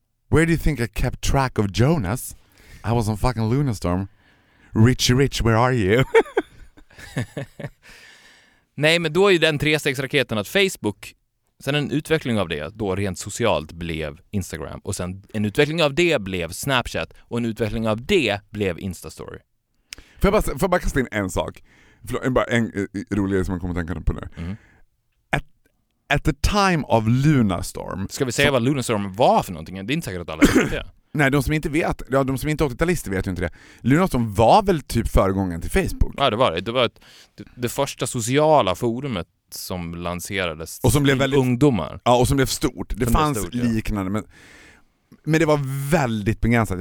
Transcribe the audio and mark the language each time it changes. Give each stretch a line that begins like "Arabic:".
English: Where do you think I kept track of Jonas? I was on fucking Lunarstorm. Rich, where are you?
Swedish: Nej, men då är ju den 3-6-raketen att Facebook, sen en utveckling av det då rent socialt blev Instagram, och sen en utveckling av det blev Snapchat, och en utveckling av det blev Instastory. Får jag bara kasta in en sak? Förlåt, en rolig grej som jag kommer att tänka på nu. Mm.
English: At the time of Lunarstorm.
Swedish: Ska vi säga vad Lunarstorm var för någonting? Det är inte säkert att alla vet det. Nej, de som inte vet, ja, de som inte är 80-talister vet ju inte det. Lunarstorm var väl typ föregången till Facebook? Ja, det var det. Det var det första sociala forumet som lanserades och som blev väldigt, ungdomar. Ja, och som blev stort. Det fanns stort, liknande. Ja. Men det var väldigt begränsat.